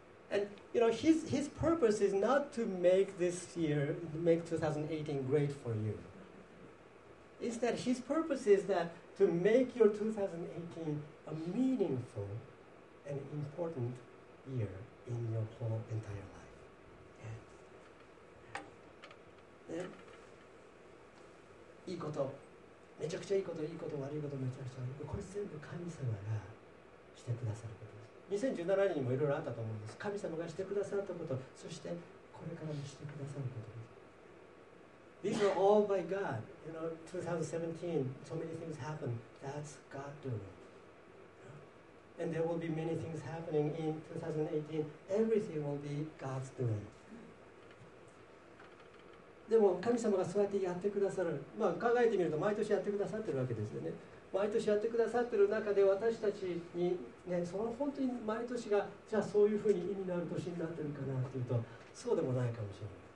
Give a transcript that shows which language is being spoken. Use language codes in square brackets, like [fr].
[en] And you know his purpose is not to make this year, make 2018 great for you. Instead, his purpose is that to make your 2018 a meaningful and important year in your whole entire life. [ja] ね、いいこと、めちゃくちゃいいこと、いいこと、悪いこと、めちゃくちゃ悪いこと、これ全部神様がしてくださることです。 2017年にもいろいろあったと思うんです。神様がしてくださったこと、そしてこれからもしてくださることです。 [en] These are all by God. You know, 2017, so many things happened. That's God doing. And there will be many things happening in 2018. Everything will be God's doing. [ja] でも神様がそうやってやってくださる、まあ、考えてみると毎年やってくださってるわけですよね。毎年やってくださってる中で私たちに、ね、その本当に毎年がじゃあそういうふうに意味のある年になってるかなというと、そうでもないかもしれない。